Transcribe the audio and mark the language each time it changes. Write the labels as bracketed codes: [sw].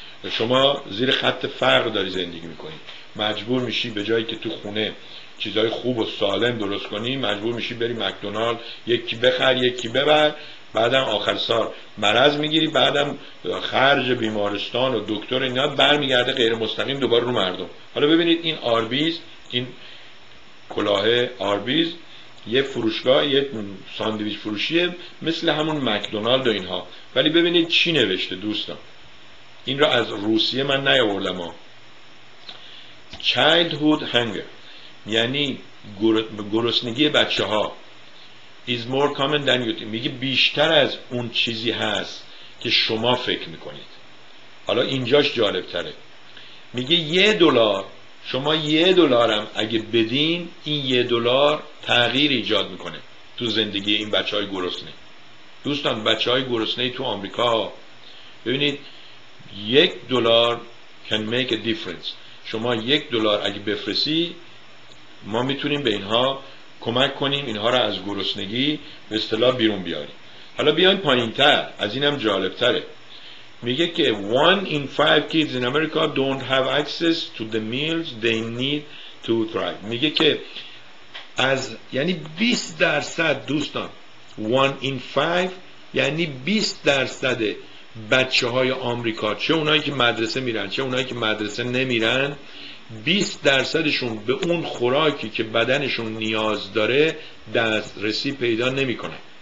[fa] شما زیر خط فقر داری زندگی میکنی، مجبور میشی به جایی که تو خونه چیزای خوب و سالم درست کنی، مجبور میشی بری مکدونالد یکی بخر یکی ببر، بعدم آخر سال مرض میگیری، بعدم خرج بیمارستان و دکتر اینها برمیگرده غیر مستقیم دوباره رو مردم. حالا ببینید این آربیز، این کلاه آربیز، یه فروشگاه، یه ساندویچ فروشیه مثل همون مکدونالد و اینها. ولی ببینید چی نوشته دوستان، این را از روسیه من نیاوردم. [en] Childhood hunger [fa] یعنی گرسنگی بچه ها [en] is more common than you think. [fa] میگه بیشتر از اون چیزی هست که شما فکر میکنید. حالا اینجاش جالب تره، میگه یه دلار هم اگه بدین، این یه دلار تغییر ایجاد میکنه تو زندگی این بچه های گرسنه. دوستان بچه های گرسنه تو آمریکا ببینید [en] $1 can make a difference. [fa] شما $1 اگه بفرسی ما میتونیم به اینها کمک کنیم اینها را از گرسنگی به اصطلاح بیرون بیاریم. حالا بیان پایین تر، از اینم جالب تره. میگه که [en] 1 in 5 kids in America don't have access to the meals they need to thrive. [fa] میگه که از یعنی 20% دوستان، 1 in 5 یعنی 20% بچه های آمریکا، چه اونایی که مدرسه میرن چه اونایی که مدرسه نمیرن، 20%شون به اون خوراکی که بدنشون نیاز داره دسترسی پیدا نمی کنن.